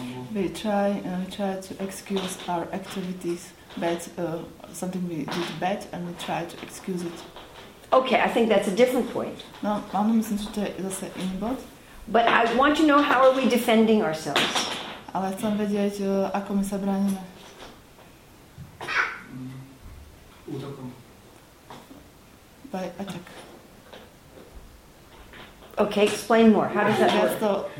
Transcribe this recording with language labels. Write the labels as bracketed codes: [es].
[en] We try to excuse our activities, but something we did bad, and we try to excuse it. Okay, I think that's a different point. [sk] No, mám myslím, že to je zase iný bod. [en] But I want to know how are we defending ourselves. [sk] Ale chcem vedieť, ako my sa bránime. Útokom. [en] By attack. Okay, explain more. How does that work?